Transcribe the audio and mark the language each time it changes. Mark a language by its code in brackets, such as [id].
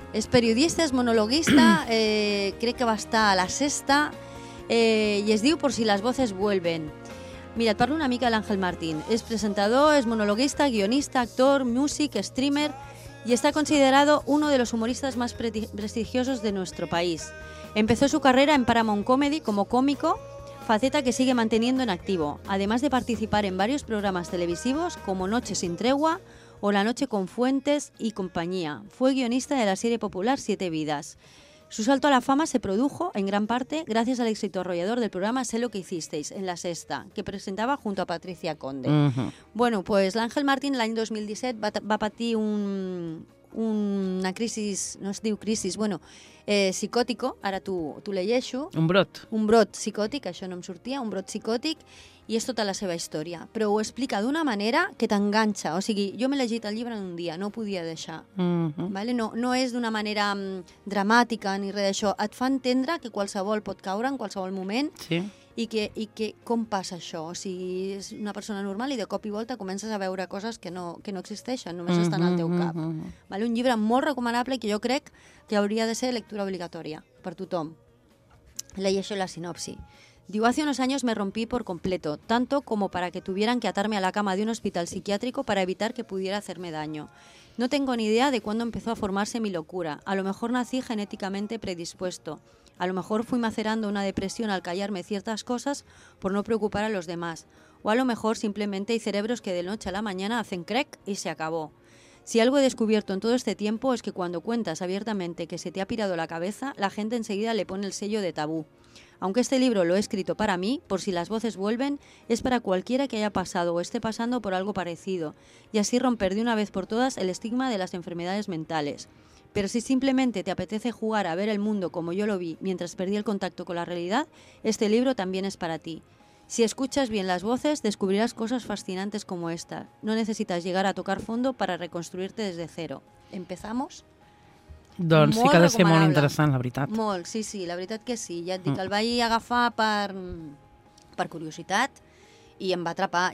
[ca] És periodista, és monologuista, crec que va estar a la Sexta, i es diu Por si las voces vuelven. Mira, et parlo una mica de l'Àngel Martín. És presentador, és monologuista, guionista, actor, músic, streamer, i està considerat un dels humoristes més prestigiosos de nostre país. [es] Empezó su carrera en Paramount Comedy como cómico, faceta que sigue manteniendo en activo, además de participar en varios programas televisivos como Noche sin tregua o La noche con Fuentes y compañía. Fue guionista de la serie popular Siete vidas. Su salto a la fama se produjo, en gran parte, gracias al éxito arrollador del programa Sé lo que hicisteis, en La Sexta, que presentaba junto a Patricia Conde. Uh-huh. [ca] Bueno, pues l'Àngel Martín l'any 2017 va patir una crisis, no es diu crisis, bueno, psicòtico, ara tu llegeixo. Un brot. Un brot psicòtic, això no em sortia, un brot psicòtic, i és tota la seva història. Però ho explica d'una manera que t'enganxa. O sigui, jo m'he llegit el llibre en un dia, no ho podia deixar. Mm-hmm. Vale? No és d'una manera dramàtica ni res d'això. Et fa entendre que qualsevol pot caure en qualsevol moment. Sí. I que com passa això? O sigui, és una persona normal i de cop i volta comences a veure coses que no existeixen, només estan al teu cap. Vale? Un llibre molt recomanable que jo crec que hauria de ser lectura obligatòria per tothom. Leyeixo la sinopsi. [es] Digo, hace unos años me rompí por completo, tanto como para que tuvieran que atarme a la cama de un hospital psiquiátrico para evitar que pudiera hacerme daño. No tengo ni idea de cuándo empezó a formarse mi locura. A lo mejor nací genéticamente predispuesto. A lo mejor fui macerando una depresión al callarme ciertas cosas por no preocupar a los demás. O a lo mejor simplemente hay cerebros que de noche a la mañana hacen crack y se acabó. Si algo he descubierto en todo este tiempo es que cuando cuentas abiertamente que se te ha pirado la cabeza, la gente enseguida le pone el sello de tabú. Aunque este libro lo he escrito para mí, por si las voces vuelven, es para cualquiera que haya pasado o esté pasando por algo parecido, y así romper de una vez por todas el estigma de las enfermedades mentales. Pero si simplemente te apetece jugar a ver el mundo como yo lo vi mientras perdí el contacto con la realidad, este libro también es para ti. Si escuchas bien las voces, descubrirás cosas fascinantes como esta. No necesitas llegar a tocar fondo para reconstruirte desde cero. ¿Empezamos? [ca] Doncs sí que ha de ser molt interessant, la veritat. Molt, sí, la veritat que sí. Ja et dic, el vaig agafar per curiositat i em va atrapar.